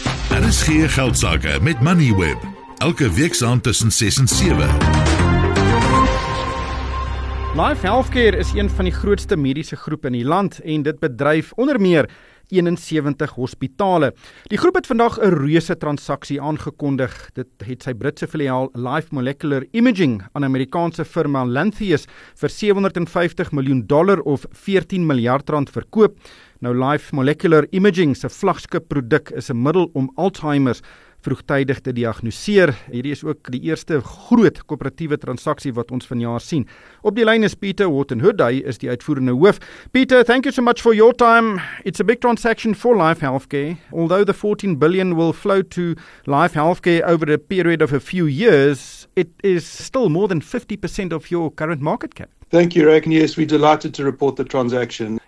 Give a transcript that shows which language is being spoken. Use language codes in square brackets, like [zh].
[af] RSG Geldsaake met Moneyweb, elke week saam tussen 6 en 7. Life Healthcare is een van die grootste mediese groepe in die land, en dit bedryf onder meer 71 hospitale. Die groep het vandag 'n reuse transaksie aangekondig. Dit het sy Britse filiaal Life Molecular Imaging aan Amerikaanse firma Lantheus vir $750 miljoen of R14 miljard verkoop. Nou, Life Molecular Imaging se vlaggeskipproduk is 'n middel om Alzheimer's vroegtydig te diagnoseer. Hierdie is ook die eerste groot koöperatiewe transaksie wat ons vanjaar sien. Op die lyn is Peter Wotton-Hood, hy is die uitvoerende hoof. [en] Peter, thank you so much for your time. It's a big transaction for Life Healthcare. Although the $14 billion will flow to Life Healthcare over a period of a few years, it is still more than 50% of your current market cap. Thank you, Rick. Yes, we're delighted to report the transaction.